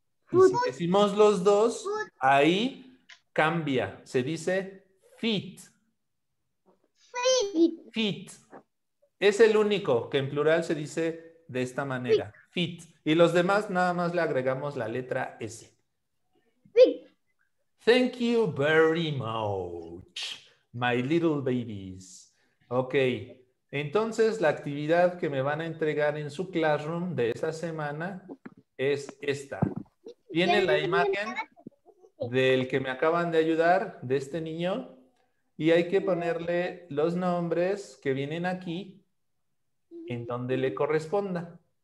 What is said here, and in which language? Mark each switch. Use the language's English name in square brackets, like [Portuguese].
[Spanish] Y si decimos los dos, ahí cambia. Se dice feet. Feet. Es el único que en plural se dice de esta manera. Feet. Y los demás nada más le agregamos la letra S. [English] Thank you very much, my little babies. [Spanish] Ok, entonces la actividad que me van a entregar en su classroom de esta semana es esta. Viene la imagen del que me acaban de ayudar, de este niño, y hay que ponerle los nombres que vienen aquí en donde le corresponda.